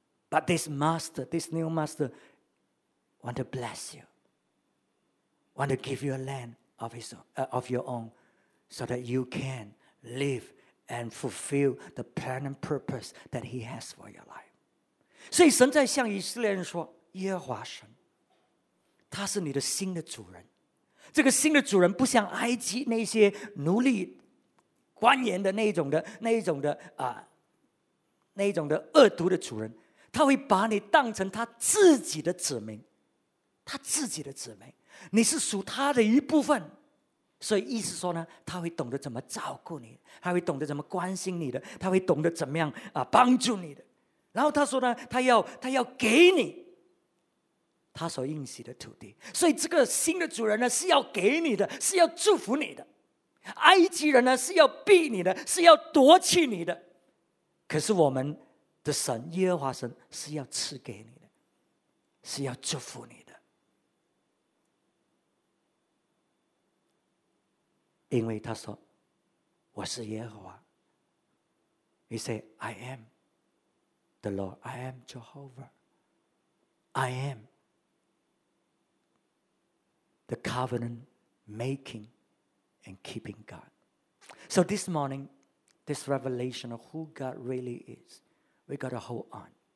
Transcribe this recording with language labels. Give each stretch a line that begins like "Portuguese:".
English: But this master, this new master, want to bless you, want to give you a land of his own, of your own, so that you can live and fulfill the plan and purpose that he has for your life.
Chinese: 所以神在向以色列人说，耶和华神他是你的新的主人。这个新的主人不像埃及那些奴隶官员的那种的恶毒的主人，他会把你当成他自己的子民，他自己的子民，你是属他的一部分。所以意思说呢，他会懂得怎么照顾你，他会懂得怎么关心你的，他会懂得怎么样帮助你的。然后他说呢，他要给你他所应许的土地。所以这个新的主人呢，是要给你的，是要祝福你的。埃及人呢，是要逼你的，是要夺去你的。可是我们的神耶和华神是要赐给你的，是要祝福你的，因为他说我是耶和华。
English: He said I am the Lord, I am Jehovah, I am the covenant making and keeping God. So this morning,this revelation of who God really is, we got to hold on.